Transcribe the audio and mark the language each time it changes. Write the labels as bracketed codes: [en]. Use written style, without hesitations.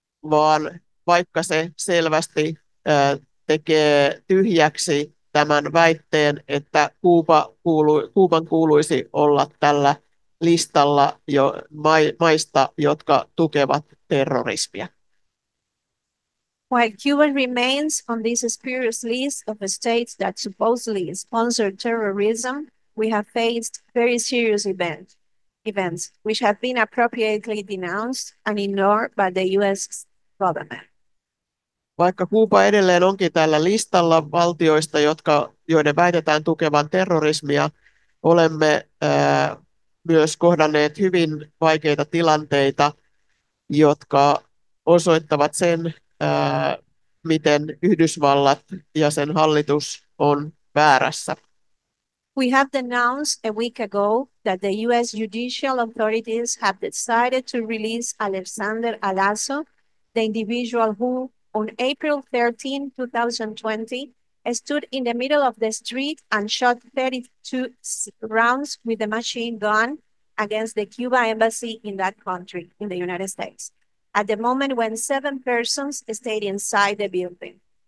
[fi] vaan vaikka se selvästi tekee tyhjäksi tämän väitteen, että Kuuban kuuluisi olla tällä listalla jo maista, jotka tukevat terrorismia. [en] While Cuba remains on this spurious list of states that supposedly sponsor terrorism, we have faced very serious events which have been appropriately denounced and ignored by the US government. [fi] Vaikka Kuuba edelleen onkin tällä listalla valtioista, joiden väitetään tukevan terrorismia, olemme myös kohdanneet hyvin vaikeita tilanteita, jotka osoittavat sen, miten Yhdysvallat ja sen hallitus on väärässä. [en] We have denounced a week ago that the US judicial authorities have decided to release Alexander Alaso, the individual who on April 13, 2020, stood in the middle of the street and shot 32 rounds with a machine gun against the Cuba embassy in that country, in the United States, at the moment when seven persons stayed inside the building.